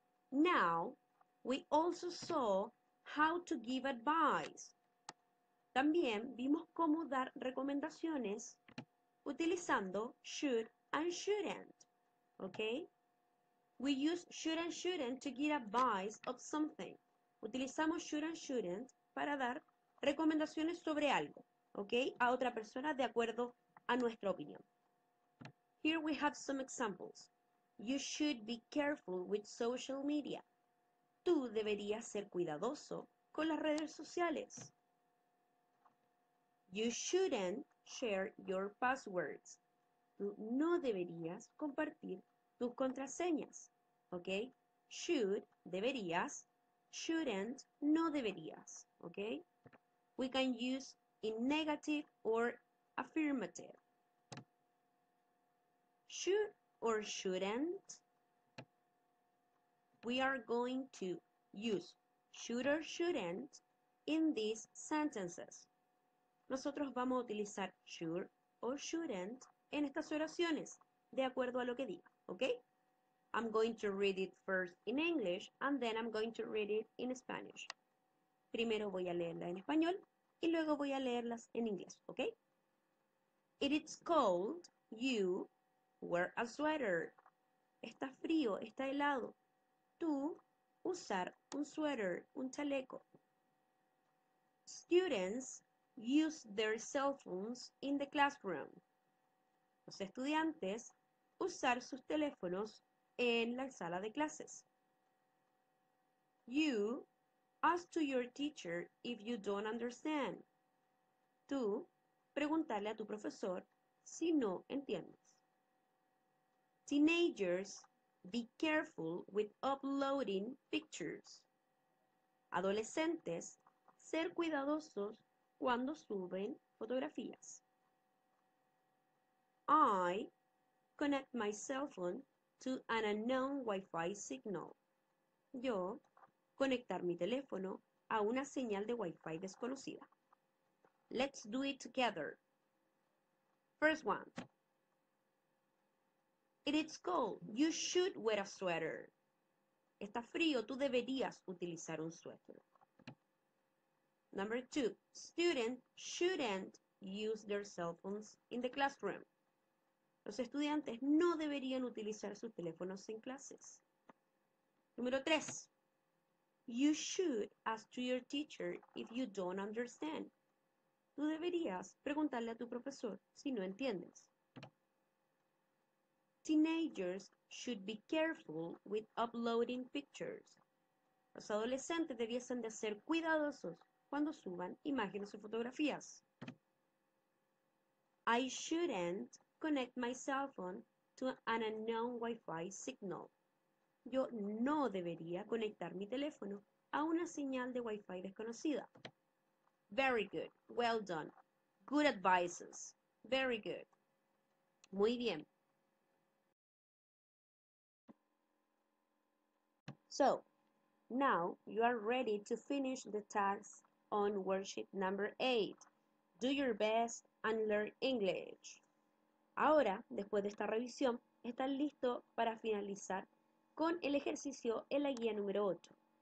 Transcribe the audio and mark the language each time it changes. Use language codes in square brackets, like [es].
[en] Now, we also saw how to give advice. [es] También vimos cómo dar recomendaciones utilizando should and shouldn't, okay? [en] We use should and shouldn't to give advice of something. [es] Utilizamos should and shouldn't para dar recomendaciones sobre algo, okay? A otra persona de acuerdo a nuestra opinión. [en] Here we have some examples. You should be careful with social media. [es] Tú deberías ser cuidadoso con las redes sociales. [en] You shouldn't share your passwords. [es] Tú no deberías compartir tus contraseñas. ¿Ok? Should, deberías. Shouldn't, no deberías. ¿Ok? [en] We can use in negative or affirmative. Should or shouldn't. We are going to use should or shouldn't in these sentences. [es] Nosotros vamos a utilizar should or shouldn't en estas oraciones, de acuerdo a lo que diga, ¿ok? [en] I'm going to read it first in English and then I'm going to read it in Spanish. [es] Primero voy a leerla en español y luego voy a leerlas en inglés, ¿ok? [en] It is cold, you wear a sweater. [es] Está frío, está helado. Tú usar un sweater, un chaleco. [en] Students use their cell phones in the classroom. [es] Los estudiantes usar sus teléfonos en la sala de clases. [en] You ask to your teacher if you don't understand. [es] Tú preguntarle a tu profesor si no entiendes. [en] Teenagers be careful with uploading pictures. [es] Adolescentes, ser cuidadosos cuando suben fotografías. [en] I connect my cell phone to an unknown Wi-Fi signal. [es] Yo conectar mi teléfono a una señal de Wi-Fi desconocida. [en] Let's do it together. First one. It is cold. You should wear a sweater. [es] Está frío. Tú deberías utilizar un suéter. [en] Number two. Students shouldn't use their cell phones in the classroom. [es] Los estudiantes no deberían utilizar sus teléfonos en clases. Número tres. [en] You should ask to your teacher if you don't understand. [es] Tú deberías preguntarle a tu profesor si no entiendes. [en] Teenagers should be careful with uploading pictures. [es] Los adolescentes debiesen de ser cuidadosos cuando suban imágenes o fotografías. [en] I shouldn't connect my cell phone to an unknown Wi-Fi signal. [es] Yo no debería conectar mi teléfono a una señal de Wi-Fi desconocida. [en] Very good. Well done. Good advices. Very good. [es] Muy bien. [en] So, now you are ready to finish the task on worksheet number 8. Do your best and learn English. [es] Ahora, después de esta revisión, están listos para finalizar con el ejercicio en la guía número 8.